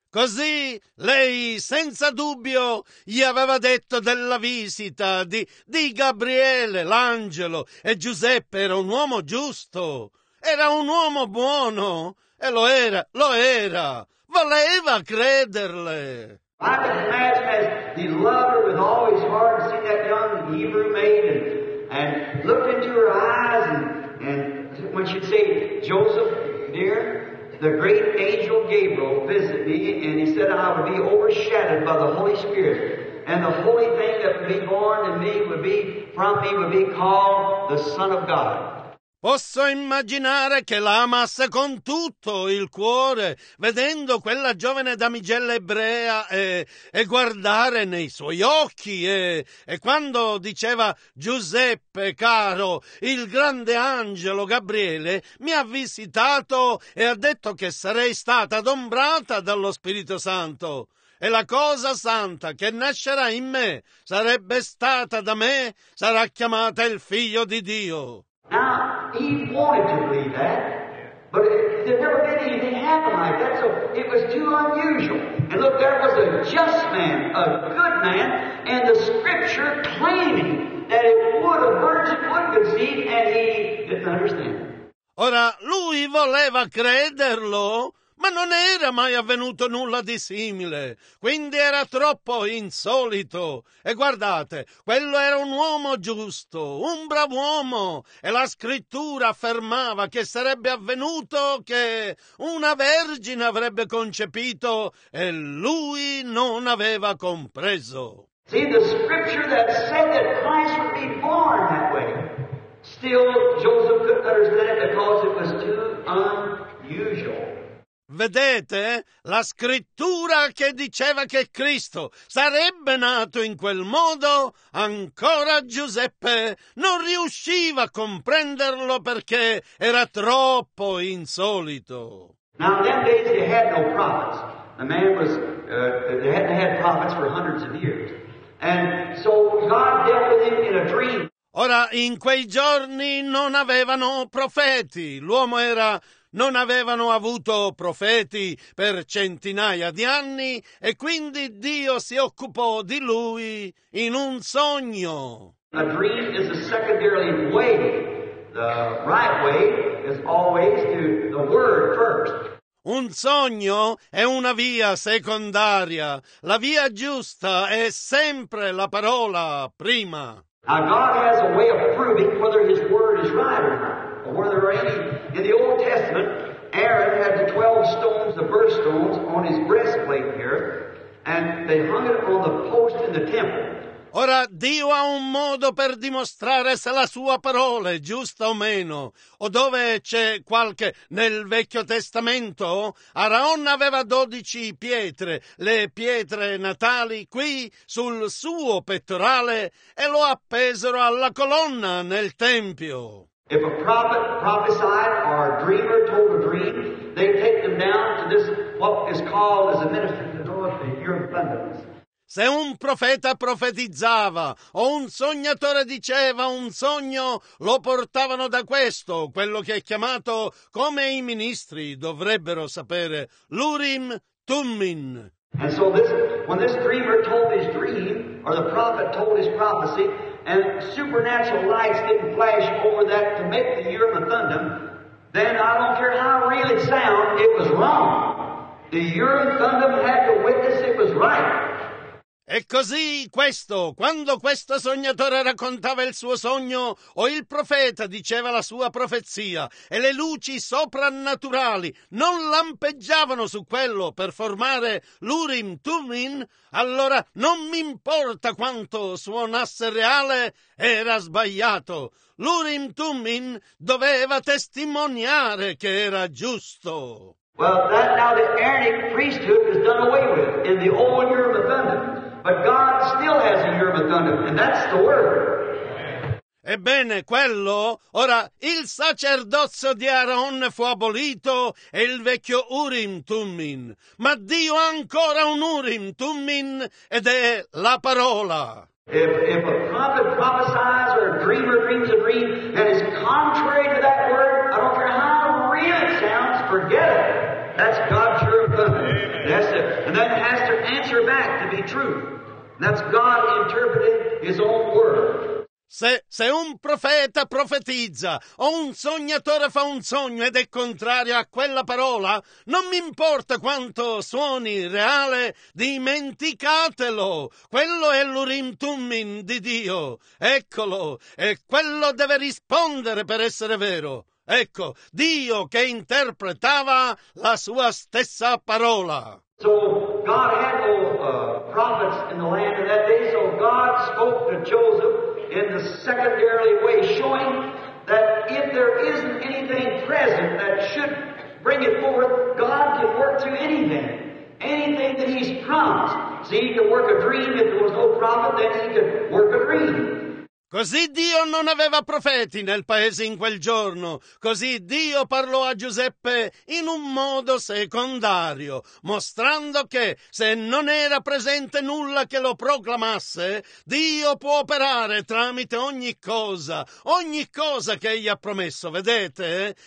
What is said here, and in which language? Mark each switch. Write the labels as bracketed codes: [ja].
[it] Così lei senza dubbio gli aveva detto della visita di Gabriele, l'angelo, e Giuseppe era un uomo giusto, era un uomo buono, e lo era, voleva crederle. [en] I can imagine that he loved her with all his heart, and see that young Hebrew maiden, and looked into her eyes, and when she'd say, Joseph, dear, the great angel Gabriel visited me, and he said I would be overshadowed by the Holy Spirit, and the holy thing that would be born in me would be from me would be called the Son of God. [it] Posso immaginare che la amasse con tutto il cuore, vedendo quella giovane damigella ebrea e guardare nei suoi occhi e quando diceva Giuseppe, caro, il grande angelo Gabriele mi ha visitato e ha detto che sarei stata adombrata dallo Spirito Santo. E la cosa santa che nascerà in me sarebbe stata da me, sarà chiamata il Figlio di Dio. [en] Now, he wanted to believe that, but there never been anything happen like that, so it was too unusual. And look, there was a just man, a good man, and the scripture claiming that a virgin would conceive, and he didn't understand. [it] Ora, lui voleva crederlo, ma non era mai avvenuto nulla di simile, quindi era troppo insolito. E guardate, quello era un uomo giusto, un bravo uomo, e la scrittura affermava che sarebbe avvenuto che una vergine avrebbe concepito e lui non aveva compreso. [en] See, the scripture that said that Christ would be born that way, still Joseph couldn't understand it because it was too unusual. [it] Vedete? La scrittura che diceva che Cristo sarebbe nato in quel modo, ancora Giuseppe non riusciva a comprenderlo perché era troppo insolito. [en] Now, in those days they had no prophets. The man was, they hadn't had prophets for hundreds of years. And so God dealt with him in a dream. [it] Ora, in quei giorni non avevano profeti. L'uomo era non avevano avuto profeti per centinaia di anni e quindi Dio si occupò di lui in un sogno. [en] A dream is a secondary way. The right way is always to the word first. [it] Un sogno è una via secondaria. La via giusta è sempre la parola prima. [en] Now God has a way of proving whether his word is right or not. Were there any? In the Old Testament, Aaron had the 12 stones, the birth stones, on his breastplate here, and they hung it on the post in the temple. [it] Ora Dio ha un modo per dimostrare se la sua parola è giusta o meno, o dove c'è qualche nel Vecchio Testamento. Araon aveva 12 pietre, le pietre natali qui sul suo pettorale e lo appesero alla colonna nel tempio. [en] If a prophet prophesied or a dreamer told a dream, they take them down to this what is called as a minister to the Lord and your abundance. [it] Se un profeta profetizzava o un sognatore diceva un sogno, lo portavano da questo, quello che è chiamato, come i ministri dovrebbero sapere, l'Urim Tummin. [en] And so this, when this dreamer told his dream, or the prophet told his prophecy, and supernatural lights didn't flash over that to make the Urim and Thummim, then I don't care how real it sound, it was wrong. The Urim Thummim had to witness it was right. [it] E così questo, quando questo sognatore raccontava il suo sogno o il profeta diceva la sua profezia e le luci soprannaturali non lampeggiavano su quello per formare l'Urim Tumim, allora non mi importa quanto suonasse reale, era sbagliato. L'Urim Tumim doveva testimoniare che era giusto. [en] Well, that now the Aaronic priesthood is done away with in the old Urim and Thummim. But God still has a Urim and Thummim, and that's the word. [it] Ebbene, quello, ora, il sacerdozio di Aaron fu abolito e il vecchio Urim Tummin. Ma Dio ha ancora un Urim Tummin ed è la parola. [en] If a prophet prophesies or a dreamer dreams a dream that is contrary to that word, I don't care how real it sounds, forget it. That's God's Urim Thummim. That's it. And that has to answer back to be true. That's God interpreting his own word. [it] Se un profeta profetizza o un sognatore fa un sogno ed è contrario a quella parola, non mi importa quanto suoni reale, dimenticatelo. Quello è l'Urim Tummim di Dio. Eccolo. E quello deve rispondere per essere vero. Ecco, Dio che interpretava la sua stessa parola. [en] So God had no prophets in the land in that day, so God spoke to Joseph in the secondary way, showing that if there isn't anything present that should bring it forth, God can work through anything. Anything that he's promised. See, he could work a dream. If there was no prophet, then he could work a dream. [it] Così Dio non aveva profeti nel paese in quel giorno. Così Dio parlò a Giuseppe in un modo secondario, mostrando che se non era presente nulla che lo proclamasse, Dio può operare tramite ogni cosa che egli ha promesso. Vedete?